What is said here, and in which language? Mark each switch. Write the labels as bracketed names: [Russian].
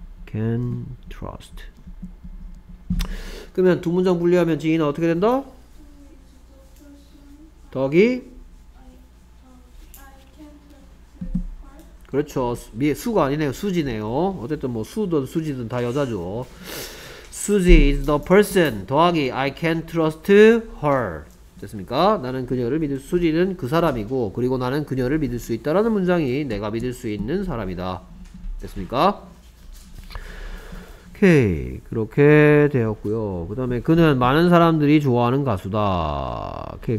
[English] Can trust. [Korean] 그러면 두 문장 분리하면 지인은 어떻게 된다? 덕이 그렇죠. 수가 아니네요. 수지네요. 어쨌든 뭐 수든 수지든 다 여자죠. [English] Suzy is the person [Korean] 더하기 [English] I can trust her. [Korean] 됐습니까? 나는 그녀를 믿을 수, 수지는 그 사람이고 그리고 나는 그녀를 믿을 수 있다라는 문장이 내가 믿을 수 있는 사람이다. 됐습니까? 오케이. 그렇게 되었고요. 그 다음에 그는 많은 사람들이 좋아하는 가수다. 오케이.